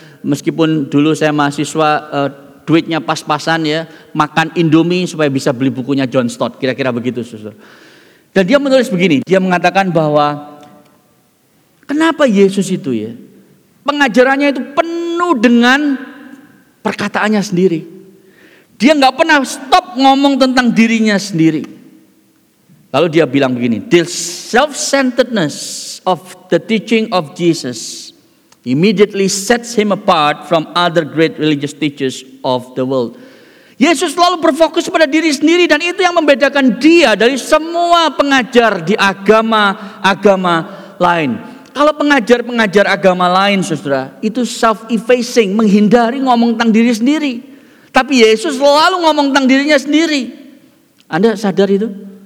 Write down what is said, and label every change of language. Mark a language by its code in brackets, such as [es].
[id] Meskipun dulu saya mahasiswa, duitnya pas-pasan ya, makan Indomie supaya bisa beli bukunya John Stott, kira-kira begitu, saudara. Dan dia menulis begini, dia mengatakan bahwa kenapa Yesus itu ya, pengajarannya itu penuh dengan perkataannya sendiri. Dia gak pernah stop ngomong tentang dirinya sendiri. Lalu dia bilang begini, [en] "The self-centeredness of the teaching of Jesus immediately sets him apart from other great religious teachers of the world." [id] Yesus selalu berfokus pada diri sendiri dan itu yang membedakan dia dari semua pengajar di agama-agama lain. Kalau pengajar-pengajar agama lain, saudara, itu self-effacing, menghindari ngomong tentang diri sendiri. Tapi Yesus selalu ngomong tentang dirinya sendiri. Anda sadar itu?